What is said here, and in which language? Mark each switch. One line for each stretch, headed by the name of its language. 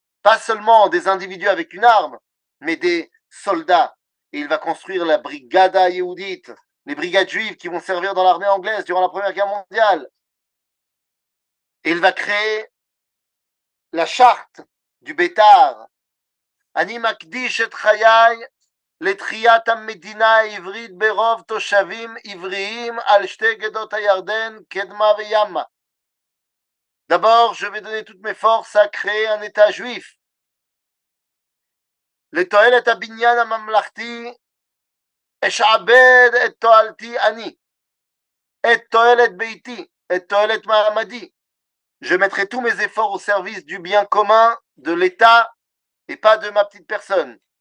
French: Pas seulement des individus avec une arme, mais des soldats. Et il va construire la Brigada Yehudit, les brigades juives qui vont servir dans l'armée anglaise durant la Première Guerre mondiale. Et il va créer la charte du Bétar.
Hebrew: Ani makdish et chayai. לתחיית המדינה העברית ברוב תושבים עבריים על שתי גדות הירדן, קדמה וימה.
French: דבור, je vais donner toute mes forces à créer un état juif.
Hebrew: לתועלת הבניין הממלכתי, אשעבד את תועלתי אני, את תועלת ביתי, את תועלת מעמדי.
French: Je mettrai tous mes efforts au service du bien commun, de l'état, et pas de ma petite personne.